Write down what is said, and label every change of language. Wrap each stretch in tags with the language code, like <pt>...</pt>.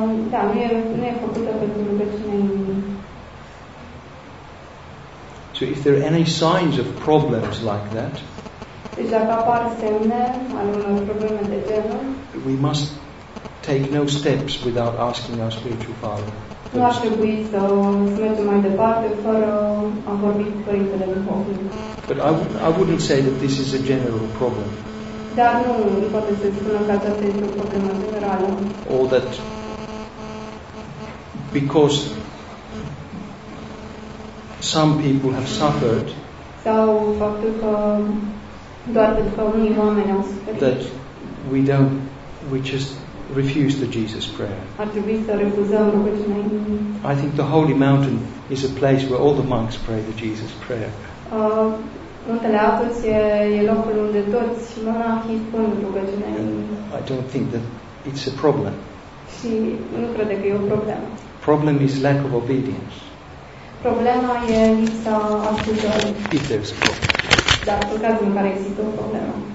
<ro>Da, nu e făcută pentru rugăciunea inimii.</ro> <en>So if there are any signs of problems like that,</en> <ro>deci dacă apar semne ale unor probleme de genul,</ro> <en>we must take no steps without asking our spiritual father.</en> <ro>Nu ar trebui să mergem mai departe fără a vorbi cu Părintele Duhovnic.</ro> <en>But I wouldn't say that this is a general problem.</en> <ro>Dar nu poate să spună că aceasta este o problemă generală.</ro> <en>Or that because some people have suffered,</en> <ro>sau faptul că doar pentru că unii oameni au suferit,</ro> <en>that we don't, we just refuse the Jesus Prayer.</en> <ro>Ar trebui să refuzăm rugăciunea inimii.</ro> <en>I think the Holy Mountain is a place where all the monks pray the Jesus Prayer.</en> <ro>Muntele Atos e locul unde toți monahii spun rugăciunea inimii.</ro> <en>I don't think that it's a problem.</en> <ro>Și nu crede că e o problemă.</ro> <en>Problem is lack of obedience.</en> <ro>Problema e lipsa ascultării.</ro> <en>If there's a problem.</en> <ro>Dar în cazul în care există o problemă.</ro>